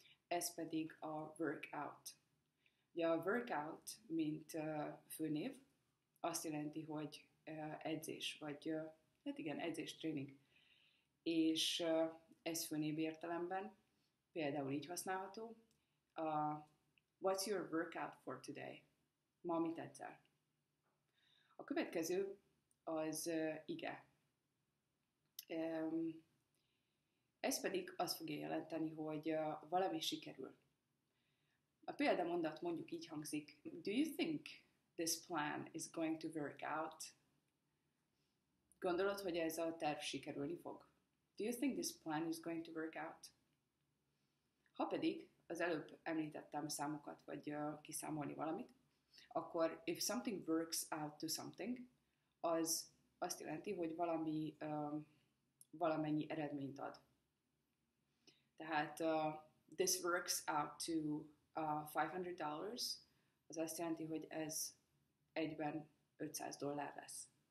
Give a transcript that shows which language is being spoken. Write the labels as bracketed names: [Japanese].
[Hungarian] Ez pedig a workout. Ugye a workout, mint főnév, azt jelenti, hogy edzés, vagy hát igen, edzés, tréning. És ez főnév értelemben például így használható. [English] What's your workout for today? [Hungarian] Ma mit edzel? A következő az ige. Ez pedig azt fogja jelenteni, hogy valami sikerül. A példamondat mondjuk így hangzik. [English] Do you think this plan is going to work out? [Hungarian] Gondolod, hogy ez a terv sikerülni fog? [English] Do you think this plan is going to work out? [Hungarian] Ha pedig az előbb említettem számokat, vagy kiszámolni valamit, akkor [English] if something works out to something, [Hungarian] az azt jelenti, hogy valami valamennyi eredményt ad. Tehát [English] this works out to $500, [Hungarian] az azt jelenti, hogy ez egyben $500 lesz.